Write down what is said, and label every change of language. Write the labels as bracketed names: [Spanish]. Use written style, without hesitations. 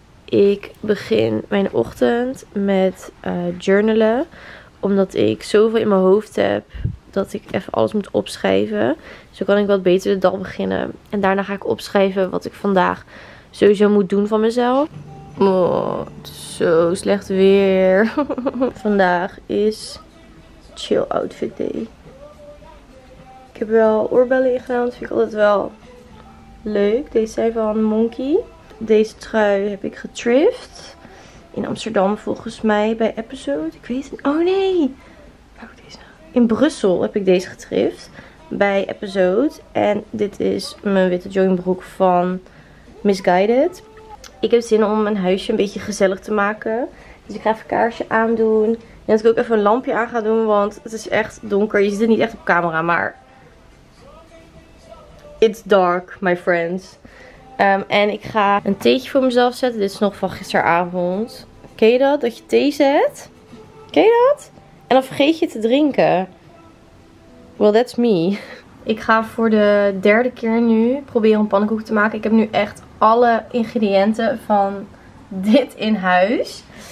[Dutch] Ik begin mijn ochtend met journalen. Omdat ik zoveel in mijn hoofd heb dat ik even alles moet opschrijven. Zo kan ik wat beter de dag beginnen. En daarna ga ik opschrijven wat ik vandaag sowieso moet doen van mezelf. Oh, het is zo slecht weer. Vandaag is chill outfit day. Ik heb wel oorbellen ingedaan. Dat vind ik altijd wel leuk. Deze zijn van Monkey. Deze trui heb ik getrift. In Amsterdam volgens mij bij Episode. Ik weet het niet. Oh nee. Waar heb ik deze nou? In Brussel heb ik deze getrift. Bij Episode. En dit is mijn witte joggingbroek van Misguided. Ik heb zin om mijn huisje een beetje gezellig te maken. Dus ik ga even een kaarsje aandoen. En dat ik ook even een lampje aan ga doen. Want het is echt donker. Je ziet het niet echt op camera. Maar [English] it's dark, my friends. [Dutch] En ik ga een theetje voor mezelf zetten. Dit is nog van gisteravond. Ken je dat? Dat je thee zet? Ken je dat? En dan vergeet je te drinken. [English] Well, that's me. [Dutch] Ik ga voor de 3e keer nu proberen om pannenkoeken te maken. Ik heb nu echt alle ingrediënten van dit in huis.